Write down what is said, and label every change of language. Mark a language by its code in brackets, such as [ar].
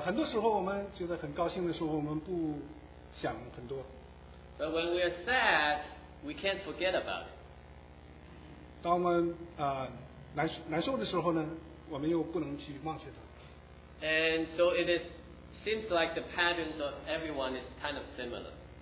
[zh] 很多时候我们觉得很高兴的时候我们不想很多。 [en] But when we are sad, we can't forget about it. [zh] 当我们难受的时候呢，我们又不能去忘却它。 [en] And so it is seems like the patterns of everyone is kind of similar.